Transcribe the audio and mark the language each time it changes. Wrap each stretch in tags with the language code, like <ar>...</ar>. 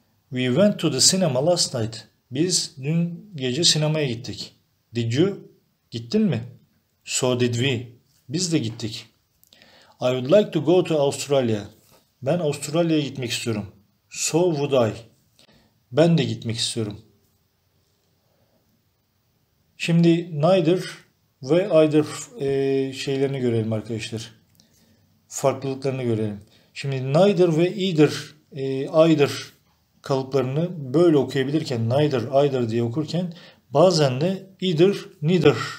<en>We went to the cinema last night.</en> <tr>Biz dün gece sinemaya gittik.</tr> <en>Did you?</en> <tr>Gittin mi?</tr> <en>So did we.</en> <tr>Biz de gittik.</tr> <en>I would like to go to Australia.</en> <tr>Ben Avustralya'ya gitmek istiyorum.</tr> <en>So would I.</en> <tr>Ben de gitmek istiyorum. Şimdi neither ve either şeylerini görelim arkadaşlar. Farklılıklarını görelim. Şimdi neither ve either, either kalıplarını böyle okuyabilirken, neither, either diye okurken bazen de either, neither</tr>